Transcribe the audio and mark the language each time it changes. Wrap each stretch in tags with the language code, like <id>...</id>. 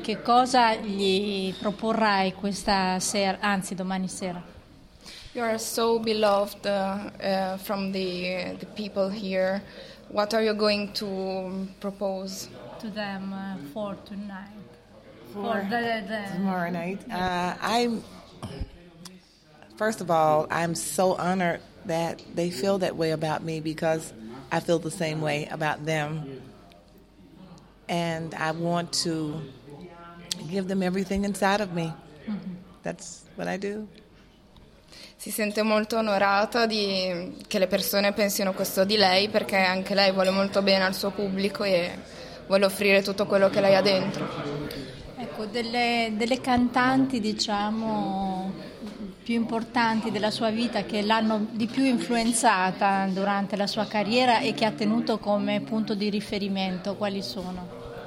<it>Che cosa gli proporrai questa sera, anzi domani sera?</it> <en>You are so beloved from the people here. What are you going to propose to them for tonight? For the tomorrow night. Yes. First of all, I'm so honored that they feel that way about me because I feel the same way about them. And I want to give them everything inside of me. Mm-hmm. That's what I do.</en> <it>Si sente molto onorata di che le persone pensino questo di lei, perché anche lei vuole molto bene al suo pubblico e vuole offrire tutto quello che lei ha dentro. Ecco, delle cantanti, diciamo, più importanti della sua vita, che l'hanno di più influenzata durante la sua carriera e che ha tenuto come punto di riferimento, quali sono?</it>